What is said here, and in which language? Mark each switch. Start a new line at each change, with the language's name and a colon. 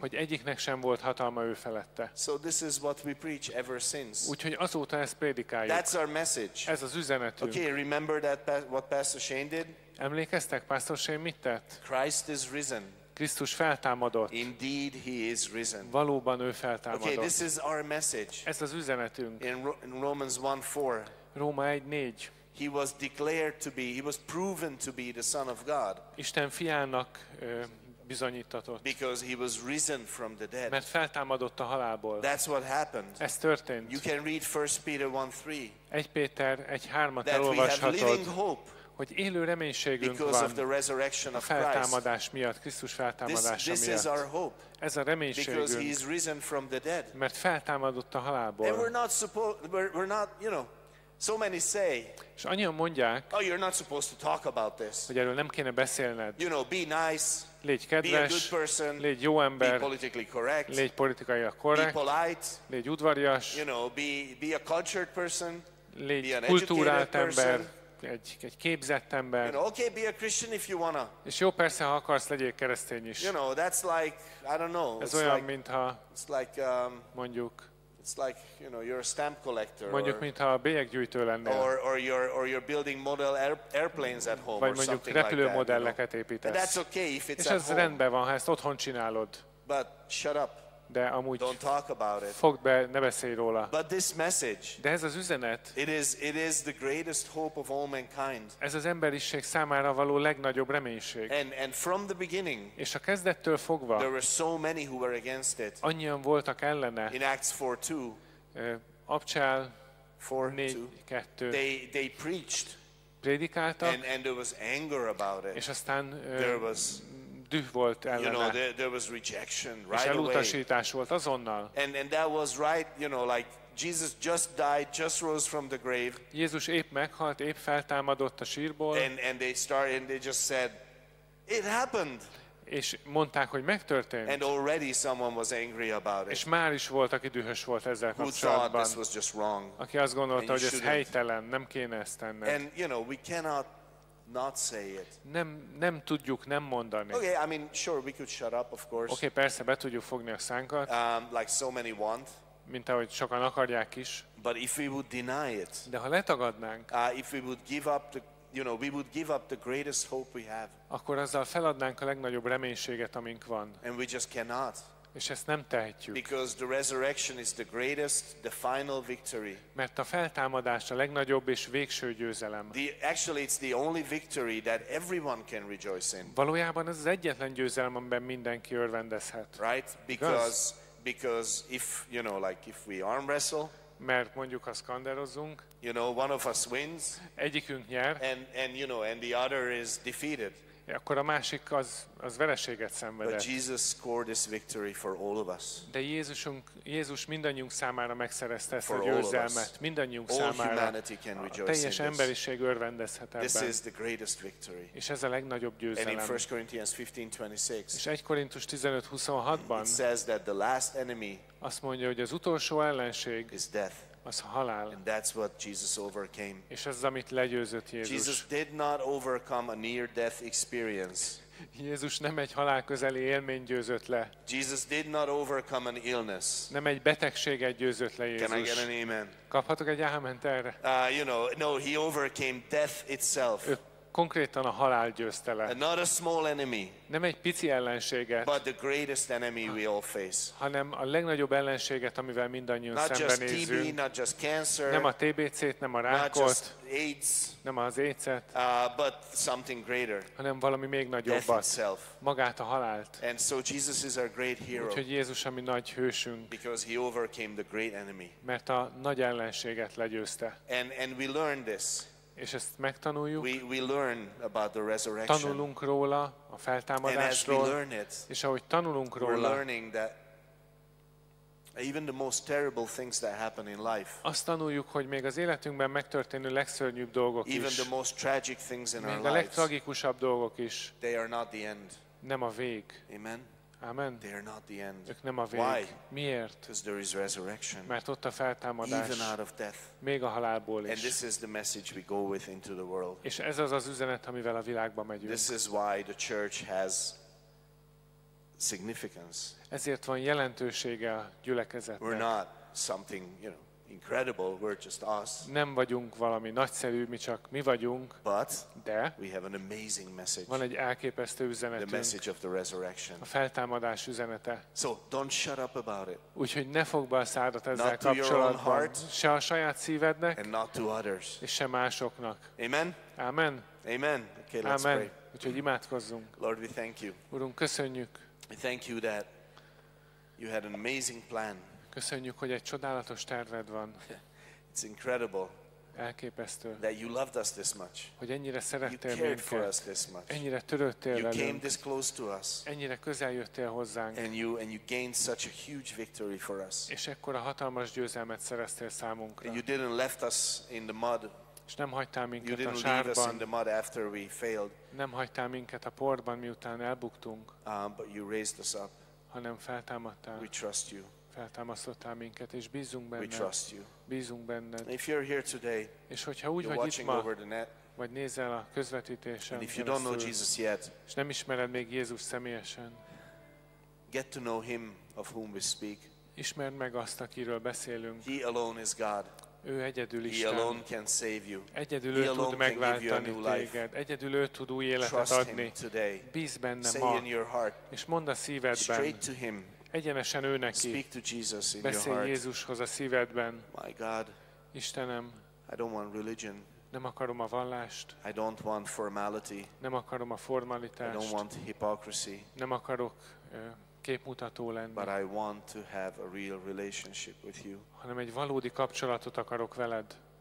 Hungarian: Hogy egyiknek sem volt hatalma ő felette.
English: So this is what we preach ever since.
Hungarian: Úgyhogy azóta ezt prédikáljuk.
English: That's our message.
Hungarian: Ez az üzenetünk.
English: Okay, remember that what Pastor Shane did?
Hungarian: Emlékeztek, Pastor Shane mit tett?
English: Christ is risen.
Hungarian: Krisztus feltámadott.
English: Indeed he is risen.
Hungarian: Valóban ő feltámadott.
English: Okay, this is our message.
Hungarian: Ez az üzenetünk.
English: In Romans 1:4.
Hungarian: Róma 1:4.
English: He was declared to be, he was proven to be the Son of God.
Hungarian: Isten fiának bizonyítatott.
English: Because he was risen from the dead.
Hungarian: Mert feltámadott a halálból.
English: That's what happened.
Hungarian: Ez történt.
English: You can read 1 Peter 1:3.
Hungarian: 1 Péter 1:3-at elolvashatod.
English: That we have living hope.
Hungarian: Hogy élő reménységünk van
English: of the resurrection of
Hungarian: a feltámadás miatt, Krisztus feltámadása
English: this
Hungarian: miatt.
English: Is our hope,
Hungarian: ez a reménységünk,
English: because he is risen from the dead.
Hungarian: Mert feltámadott a halálból.
English: And we're not, you know, so many say,
Hungarian: és annyian mondják,
English: oh, you're not supposed to talk about this.
Hungarian: Hogy erről nem kéne beszélned.
English: You know, be nice,
Hungarian: légy kedves,
English: be a good person,
Hungarian: légy jó ember,
English: be politically correct,
Hungarian: légy politikailag korrekt,
English: be polite,
Hungarian: légy udvarias,
English: you know, be a cultured person,
Hungarian: légy
English: be an
Hungarian: kultúrált ember,
English: person.
Hungarian: Egy képzett ember.
English: You know, okay, be a Christian if you wanna.
Hungarian: És jó, persze, ha akarsz, legyél keresztény is.
English: You know, that's like, I don't know.
Hungarian: Ez olyan,
English: like,
Hungarian: mintha mondjuk,
English: it's like, you know, you're a stamp collector,
Hungarian: mondjuk, mintha a bélyeggyűjtő lenne,
English: or you're building model airplanes at home,
Hungarian: vagy mondjuk repülőmodelleket,
English: you know,
Hungarian: építesz.
English: That's okay if it's
Hungarian: és ez rendben van, ha ezt otthon csinálod.
English: But shut up.
Hungarian: De amúgy
English: don't talk about it.
Hungarian: Fogd be, ne beszélj róla.
English: But this message,
Hungarian: de ez az üzenet,
English: it is the greatest hope of all mankind.
Hungarian: Ez az emberiség számára való legnagyobb reménység.
English: And from the beginning,
Hungarian: és a kezdettől fogva,
English: there were so many who were against it.
Hungarian: Annyian voltak ellene.
English: In Acts 4:2,
Hungarian: Apcsál 4:2,
English: they preached,
Hungarian: prédikáltak,
English: and there was anger about it.
Hungarian: És aztán
English: there was
Hungarian: düh volt ellene.
English: You know, there was rejection right
Hungarian: away. És elutasítás volt azonnal.
English: And that was right, you know, like Jesus just died, just rose from the grave.
Hungarian: Jézus épp meghalt, épp feltámadott a sírból.
English: And they just said, it happened.
Hungarian: És mondták, hogy megtörtént.
English: And already someone was angry about it.
Hungarian: És már is volt, aki dühös volt ezzel kapcsolatban. Aki azt gondolta, hogy ez helytelen, nem kéne ezt tenni.
English: And you know, we cannot not say it.
Hungarian: Nem tudjuk nem mondani.
English: Okay, I mean, sure, we could shut up, of course.
Hungarian: Okay, persze, be tudjuk fogni a szánkat.
English: Like so many want.
Hungarian: Mint ahogy sokan akarják is.
English: But if we would deny it.
Hungarian: De ha letagadnánk.
English: If we would give up the, you know, we would give up the greatest hope we have.
Hungarian: Akkor azzal feladnánk a legnagyobb reménységet, amink van.
English: And we just cannot.
Hungarian: És ezt nem tehetjük.
English: Because the resurrection is the greatest, the final victory.
Hungarian: Mert a feltámadás a legnagyobb és végső győzelem.
English: Actually, it's the only victory that everyone can rejoice in.
Hungarian: Valójában ez az egyetlen győzelem, amiben mindenki örvendezhet.
English: Right? Because if, you know, like if we arm wrestle,
Hungarian: mert mondjuk ha szkanderozzunk,
English: you know, one of us wins,
Hungarian: egyikünk nyer,
English: and you know, and the other is defeated.
Hungarian: Akkor a másik az vereséget szenvedett.
English: But Jesus scored this victory for all of us.
Hungarian: De Jézus mindannyiunk számára megszerezte ezt a győzelmet. Mindannyiunk számára. Teljes emberiség örvendezhet ebben.
English: This is the greatest victory.
Hungarian: És ez a legnagyobb győzelem.
English: And in 1 Corinthians 15:26.
Hungarian: És 1 Korintus 15:26-ban.
English: It says that the last enemy.
Hungarian: Azt mondja, hogy az utolsó ellenség.
English: Is death.
Hungarian: Az halál.
English: And that's what Jesus overcame.
Hungarian: És ez, amit legyőzött Jézus.
English: Jesus did not overcome a near-death experience.
Hungarian: Jézus nem egy halál közeli élmény győzött le.
English: Jesus did not overcome an illness.
Hungarian: Nem egy betegséget győzött le Jézus.
English: Can I get an amen?
Hungarian: Kaphatok egy áment erre?
English: You know, no, he overcame death itself.
Hungarian: Konkrétan a halál győzte le.
English: Not a small enemy.
Hungarian: Nem egy pici ellenséget.
English: But the greatest enemy we all face.
Hungarian: Hanem a legnagyobb ellenséget, amivel mindannyiunk szembenézünk.
English: Not just TB, not just cancer.
Hungarian: Nem a TBC-t, nem a rákot.
English: AIDS.
Hungarian: Nem az AIDS-et.
English: But something greater.
Hungarian: Hanem valami még nagyobbat.
English: Death itself.
Hungarian: Magát a halált.
English: And so Jesus is our great hero.
Hungarian: Úgyhogy Jézus a mi nagy hősünk.
English: Because he overcame the great enemy.
Hungarian: Mert a nagy ellenséget legyőzte.
English: And we learn this.
Hungarian: És ezt megtanuljuk.
English: We learn about the resurrection.
Hungarian: Tanulunk róla a feltámadásról.
English: And as we learn it,
Hungarian: és ahogy tanulunk róla,
English: we're learning that even the most terrible things that happen in life.
Hungarian: Azt tanuljuk, hogy még az életünkben megtörténő legszörnyűbb dolgok is.
English: Even the most tragic things in our lives.
Hungarian: Még a legtragikusabb dolgok is.
English: They are not the end.
Hungarian: Nem a vég. Amen. Amen.
English: They are not the end.
Hungarian: Ők nem a vég.
English: Why?
Hungarian: Miért?
English: Because there is resurrection.
Hungarian: Mert ott a feltámadás.
English: Even out of death.
Hungarian: Még a halálból is.
English: And this is the message we go with into the world.
Hungarian: És ez az üzenet, amivel a világba megyünk.
English: This is why the church has significance.
Hungarian: Ezért van jelentősége a gyülekezetnek.
English: We're not something, you know, incredible. We're just us.
Hungarian: Nem vagyunk valami nagyszerű, mi csak mi vagyunk.
English: But
Hungarian: de
English: we have an amazing message.
Hungarian: Van egy elképesztő üzenetünk.
English: The message of the resurrection.
Hungarian: A feltámadás üzenete.
English: So don't shut up about it.
Hungarian: Úgyhogy ne fogd be a szádat ezzel
English: not kapcsolatban. To your own heart,
Hungarian: se a saját szívednek.
English: And not to others.
Hungarian: És se másoknak. Amen. Amen.
English: Amen. Okay, let's Amen. Pray.
Hungarian: Úgyhogy imádkozzunk.
English: Lord, we thank you.
Hungarian: Urunk, köszönjük.
English: We thank you that you had an amazing plan.
Hungarian: Köszönjük, hogy egy csodálatos terved van.
English: It's incredible.
Hungarian: Elképesztő.
English: That you loved us this much.
Hungarian: Hogy ennyire szerettél minket.
English: You cared for us this much.
Hungarian: Ennyire törődtél velünk.
English: You came this close to us.
Hungarian: Ennyire közel jöttél hozzánk.
English: And you gained such a huge victory for us.
Hungarian: És ekkora hatalmas győzelmet szereztél számunkra.
English: And you didn't left us in the mud.
Hungarian: És nem hagytál minket
English: you
Hungarian: a sárban.
English: You didn't leave us in the mud after we failed.
Hungarian: Nem hagytál minket a porban, miután elbuktunk.
English: But you raised us up.
Hungarian: Hanem feltámadtál.
English: We trust you.
Hungarian: Feltámasztottál minket, és bízunk benned.
English: We trust you.
Hungarian: Bízunk benned.
English: If you're here today,
Hungarian: és hogyha úgy vagy itt ma, vagy nézel a közvetítésen,
English: if you don't know Jesus yet,
Hungarian: és nem ismered még Jézus személyesen,
English: get to know him of whom we speak.
Hungarian: Ismerd meg azt, akiről beszélünk.
English: He alone is God.
Hungarian: Ő egyedül Isten.
English: He alone can save you.
Hungarian: Egyedül ő tud megváltani téged. Egyedül ő tud új életet adni. Bíz benne ma, és mondd a szívedben.
English: Straight to him.
Hungarian: Egyenesen ő neki.
English: Speak to Jesus in
Hungarian: Beszélj
English: your
Hungarian: Jézushoz a szívedben.
English: My God,
Hungarian: Istenem,
English: I don't want religion.
Hungarian: Nem akarom a vallást.
English: I don't want formality.
Hungarian: Nem akarom a formalitást.
English: I don't want hypocrisy.
Hungarian: Nem akarok képmutató lenni.
English: But I want to have a real relationship with you.
Hungarian: Hanem egy valódi kapcsolatot akarok veled.